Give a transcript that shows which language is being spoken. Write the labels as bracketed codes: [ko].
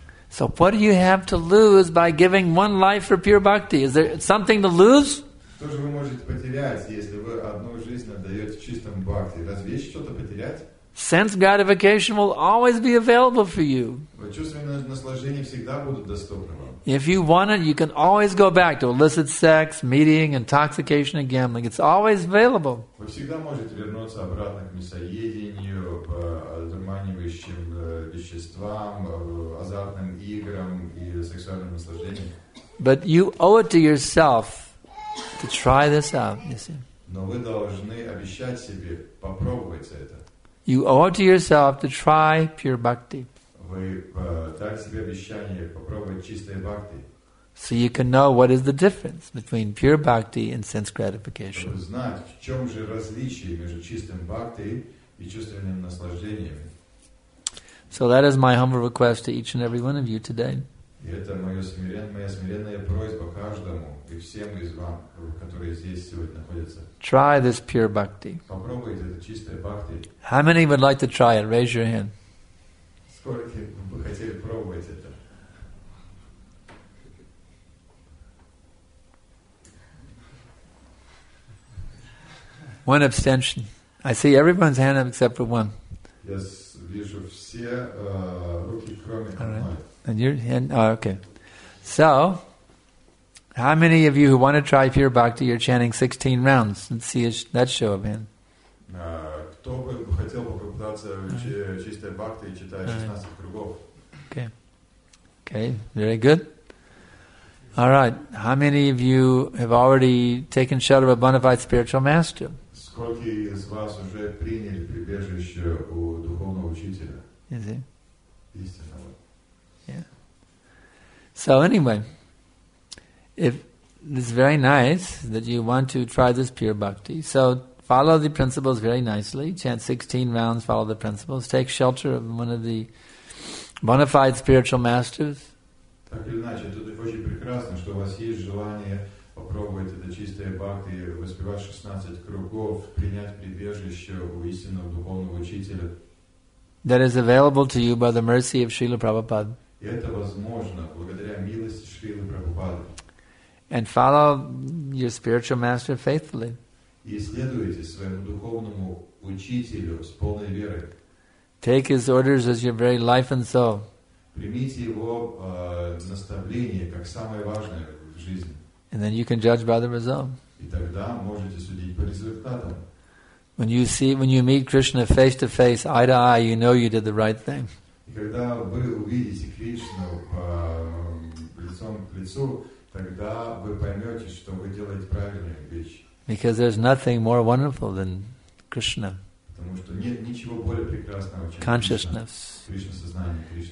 [en] So what do you have to lose by giving one life for pure bhakti? Is there something to lose? [ru] Что же вы можете потерять, если вы одну жизнь отдаете чистому бхакти? Разве есть что-то потерять? [en] Sense gratification will always be available for you. [ru] Чувственные наслаждения всегда будут доступны вам. [en] If you want it, you can always go back to illicit sex, meeting, intoxication, and gambling. It's always available. [ru] Вы всегда можете вернуться обратно к мясоедению, одурманивающим веществам, азартным играм и сексуальным наслаждениям. [en] But you owe it to yourself to try this out, you see. [ru] Но вы должны обещать себе попробовать это. [en] You owe to yourself to try pure bhakti. [ru] Вы дали себе обещание попробовать чистое бхакти. [en] So you can know what is the difference between pure bhakti and sense gratification. [ru] Чтобы знать, в чем же различие между чистым бхакти и чувственным наслаждением. [en] So that is my humble request to each and every one of you today. [ru] И это моя смиренная просьба каждому и всем из вам, которые здесь сегодня находятся. [en] Try this pure bhakti. [ru] Попробуйте это чистое бхакти. [en] How many would like to try it? Raise your hand. [ru] Сколько бы хотели пробовать это? [en] One abstention. I see everyone's hand up except for one. Yes. Right. And your hand? Oh, okay. So, how many of you who want to try pure bhakti, you're chanting 16 rounds? Let's see that show of hand. Okay, very good. All right. How many of you have already taken shelter of a bona fide spiritual master? [ru] Сколько из вас уже приняли прибежище у духовного учителя? Истинного. [en] Yeah. So anyway, if it's very nice that you want to try this pure bhakti, so follow the principles very nicely, chant 16 rounds, follow the principles, take shelter of one of the bona fide spiritual masters. [ru] Так или иначе, тут очень прекрасно, что у вас есть желание попробовать это чистое бхакти, воспевать 16 кругов, принять прибежище у истинного духовного учителя. [en] That is available to you by the mercy of Srila Prabhupada. [ru] Это возможно благодаря милости Шрилы Прабхупады. [en] And follow your spiritual master faithfully. [ru] И следуйте своему духовному учителю с полной верой. [en] Take his orders as your very life and soul. [ru] Примите его наставление как самое важное в жизни. [en] And then you can judge by the result. [ru] И тогда можете судить по результатам. [en] When you meet Krishna face to face, eye to eye, you know you did the right thing. [ru] И когда вы увидите Кришну лицом к лицу, тогда вы поймете, что вы делаете правильную вещь. [en] Because there's nothing more wonderful than Krishna. [ru] Потому что нет ничего более прекрасного, чем [en] consciousness. [ru] Krishna, сознание Кришны.